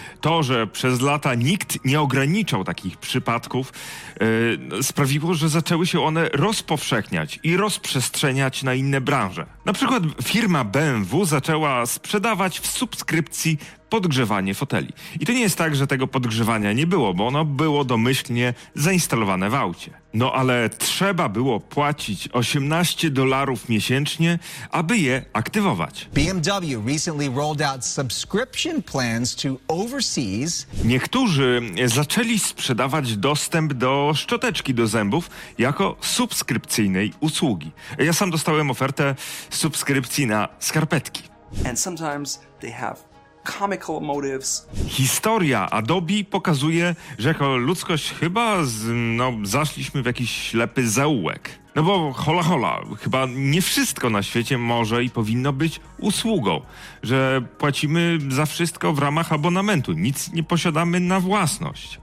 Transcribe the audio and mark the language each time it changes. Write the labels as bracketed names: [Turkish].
[Polish] To, że przez lata nikt nie ograniczał takich przypadków, sprawiło, że zaczęły się one rozpowszechniać i rozprzestrzeniać na inne branże. Na przykład firma BMW zaczęła sprzedawać w subskrypcji podgrzewanie foteli. I to nie jest tak, że tego podgrzewania nie było, bo ono było domyślnie zainstalowane w aucie. No ale trzeba było płacić $18 miesięcznie, aby je aktywować. [English] BMW recently rolled out subscription plans to overseas. [Polish] Niektórzy zaczęli sprzedawać dostęp do szczoteczki do zębów jako subskrypcyjnej usługi. Ja sam dostałem ofertę subskrypcji na skarpetki. [English] And sometimes they have comical motives. [Polish] Historia Adobe pokazuje, że jako ludzkość chyba zaszliśmy w jakiś ślepy zaułek. No bo hola, chyba nie wszystko na świecie może i powinno być usługą, że płacimy za wszystko w ramach abonamentu, nic nie posiadamy na własność.